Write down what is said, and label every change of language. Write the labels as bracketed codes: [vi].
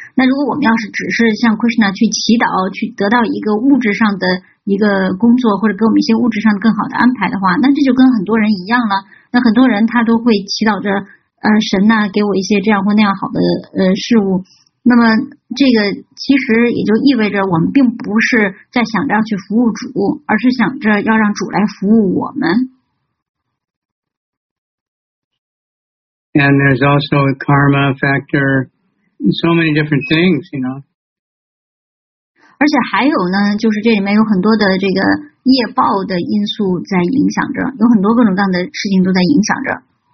[zh] 那如果我们要是只是向 Krishna 去祈祷，去得到一个物质上的一个工作，或者给我们一些物质上的更好的安排的话，那这就跟很多人一样了。那很多人他都会祈祷着。神呐、啊，给我一些这样或那样好的事物。那么这个其实也就意味着我们并不是在想着要去服务主，而是想着要让主来服务我们。 [en] And there's also a karma factor, so many different things, you know. [zh] 而且还有呢，就是这里面有很多的这个业报的因素在影响着，有很多各种各样的事情都在影响着。